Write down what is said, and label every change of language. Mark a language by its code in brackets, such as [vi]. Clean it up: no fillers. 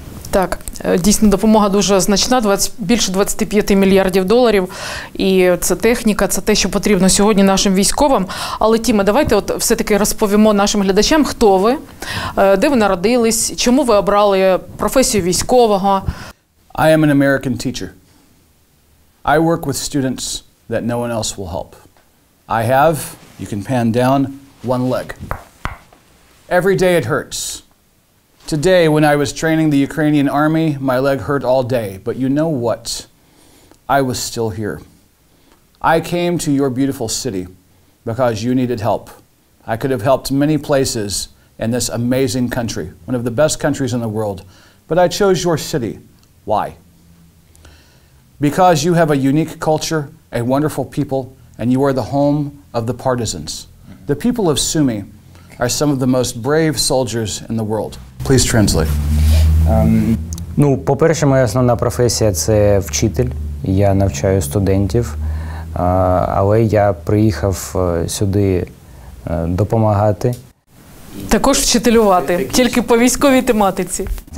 [uk] Так, дійсно, допомога дуже значна, більше 25 мільярдів доларів, і це техніка, це те, що потрібно сьогодні нашим військовим. Але, Тіме, давайте от все-таки розповімо нашим глядачам, хто ви, де ви народились, чому ви обрали професію військового. [en] I am an American teacher. I work with students that no one else will help. I have, you can pan down, one leg. Every day it hurts. Today, when I was training the Ukrainian army, my leg hurt all day. But you know what? I was still here. I came to your beautiful city because you needed help. I could have helped many places in this amazing country, one of the best countries in the world. But I chose your city. Why? Because you have a unique culture, a wonderful people, and you are the home of the partisans. The people of Sumy are some of the most brave soldiers in the world. Please translate. [uk] Ну, по-перше, моя основна професія – це вчитель. Я навчаю студентів. Але я приїхав сюди допомагати. Також вчителювати, тільки по військовій тематиці.